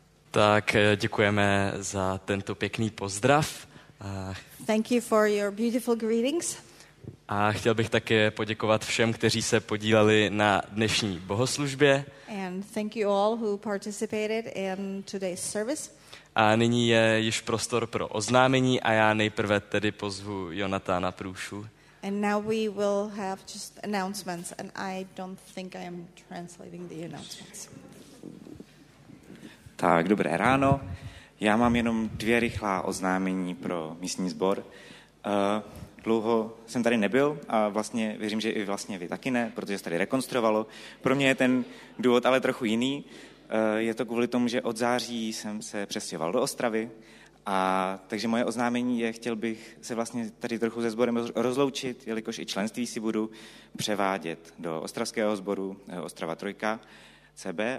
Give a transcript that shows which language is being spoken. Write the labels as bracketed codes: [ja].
[cs] Tak děkujeme za tento pěkný pozdrav. [en] Thank you for your beautiful greetings. [cs] A chtěl bych také poděkovat všem, kteří se podíleli na dnešní bohoslužbě. [en] And thank you all who participated in today's service. [cs] A nyní je již prostor pro oznámení a já nejprve tedy pozvu Jonatána Průšu. [en] And now we will have just announcements and I don't think I am translating the announcements. [cs] Tak, dobré ráno. Já mám jenom dvě rychlá oznámení pro místní sbor. Dlouho jsem tady nebyl a vlastně věřím, že i vlastně vy taky ne, protože se tady rekonstruovalo. Pro mě je ten důvod ale trochu jiný. Je to kvůli tomu, že od září jsem se přestěhoval do Ostravy, a takže moje oznámení je, chtěl bych se vlastně tady trochu se sborem rozloučit, jelikož i členství si budu převádět do ostravského sboru Ostrava Trojka CB.